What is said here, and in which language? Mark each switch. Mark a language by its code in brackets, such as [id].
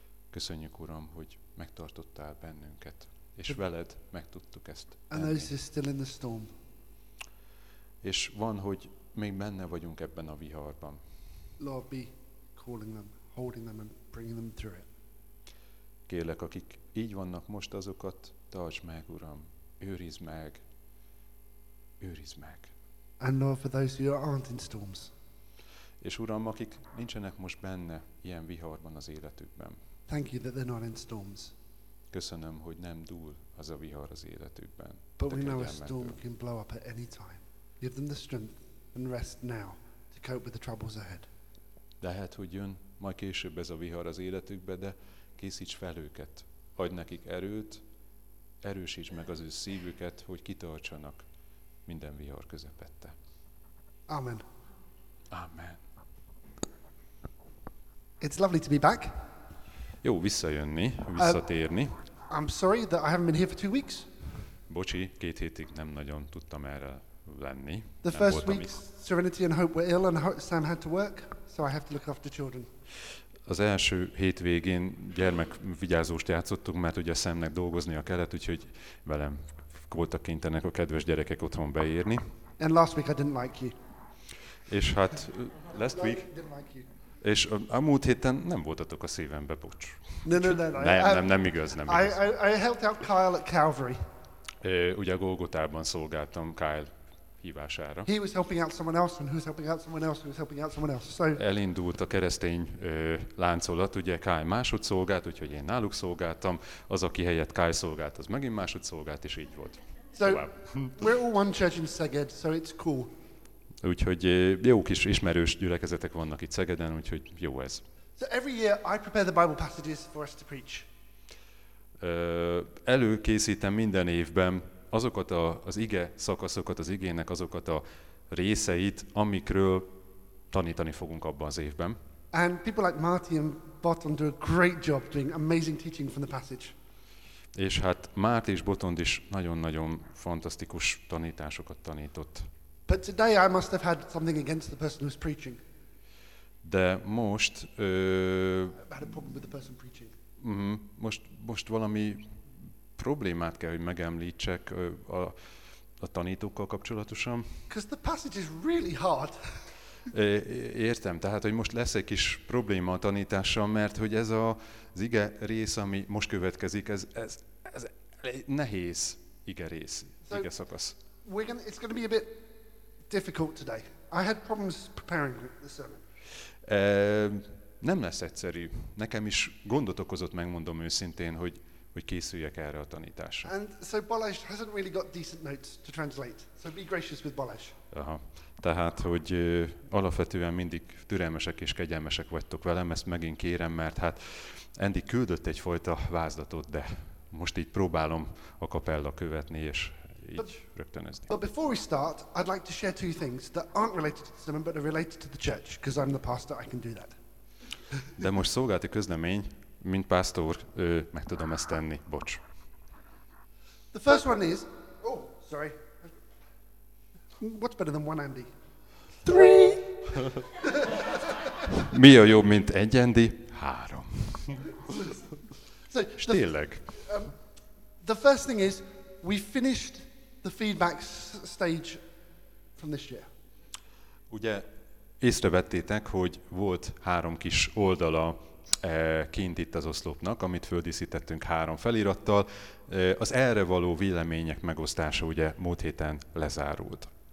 [hu] Köszönjük, Uram, hogy megtartottál bennünket, és veled megtudtuk ezt. [en] And those are still in the storm. [hu] És van, hogy még benne vagyunk ebben a viharban. [en] Lord, be calling them, holding them and bringing them through it. [hu] Kérlek, akik így vannak most, azokat tartsd meg, Uram. Őrizd meg. Őrizd meg. [en] And Lord, for those who aren't in storms. [hu] És Uram, akik nincsenek most benne ilyen viharban az életükben. [en] Thank you that they're not in storms. [hu] Köszönöm, hogy nem dúl az a vihar az életükben. [en] But we know a storm can blow up at any time. Give them the strength and rest now to cope with the troubles ahead. [hu] Lehet, hogy jön majd később ez a vihar az életükbe, de készíts fel őket. Adj nekik erőt. Erősíts meg az ő szívüket, hogy kitartsanak minden vihar közepette. [en] Amen. [hu] Amen. [en] It's lovely to be back. [hu] Jó visszajönni, visszatérni. [en] I'm sorry that I haven't been here for 2 weeks. [hu] Bocsi, két hétig nem nagyon tudtam erre lenni. [en] The first week, Serenity and Hope were ill and Sam had to work, so I have to look after children. [hu] Az első hétvégén gyermekvigyázóst játszottunk, mert ugye Szemnek dolgozni a kellett, úgyhogy velem voltak kénytelenek a kedves gyerekek otthon beírni. [en] And last week I didn't like you. [hu] És hát [en] last week. Like, didn't like you. [hu] És a múlt héten nem voltatok a szívembe, bocs. Nem igaz. [en] I helped out Kyle at Calvary. [hu] Ugye a Golgotában szolgáltam Kyle hívására. [en] He was helping out someone else, and who was helping out someone else, who was helping out someone else. So [hu] elindult a keresztény láncolat, ugye Kyle másod szolgált, úgyhogy én náluk szolgáltam, az aki helyett Kyle szolgált, az megint másod szolgált, és így volt. [en] So we're all one church in Szeged, so it's cool. [hu] Úgyhogy jó kis ismerős gyülekezetek vannak itt Szegeden, úgyhogy jó ez. [en] So every year I prepare the Bible passages for us to preach. [hu] Előkészítem minden évben azokat az ige szakaszokat, az igének azokat a részeit, amikről tanítani fogunk abban az évben. [en] And people like Marty and Botond do a great job doing amazing teaching from the passage. [hu] És hát Márti és Botond is nagyon-nagyon fantasztikus tanításokat tanított. [en] But today I must have had something against the person who's preaching. [hu] De most [en] had a problem with the person preaching. [hu] Most valami problémát kell, hogy megemlítsek a tanítókkal kapcsolatosan. [en] Because the passage is really hard. [hu] Értem, tehát hogy most lesz egy kis probléma a tanítással, mert hogy ez az ige rész, ami most következik, ez nehéz ige rész, [en] so [hu] ige szakasz. [en] It's going to be a bit difficult today. I had problems preparing the sermon. [hu] Nem lesz egyszerű. Nekem is gondot okozott, megmondom őszintén, hogy készüljek erre a tanításra. [en] And so Balázs hasn't really got decent notes to translate. So be gracious with Balázs. Aha. [hu] Tehát, hogy alapvetően mindig türelmesek és kegyelmesek vagytok velem, ezt megint kérem, mert hát Andy küldött egyfajta vázlatot, de most így próbálom a kapella követni és így rögtönözni. [en] But before we start, I'd like to share two things that aren't related to the sermon, but are related to the church, because I'm the pastor, I can do that. [hu] De most szolgálati közlemény, mint pásztor, meg tudom ezt tenni, bocs. [en] The first one is, oh, sorry. What's better than one Andy? Three! [hu] Mi a jobb, mint egy Andy? Három. [en] So, [hu] tényleg. [en] The first thing is, we finished the feedback stage from this year. [hu] Ugye észrevettétek, hogy volt három kis oldala kint itt az oszlopnak, amit földíszítettünk három felirattal. Az erre való vélemények megosztása ugye múlt héten lezárult.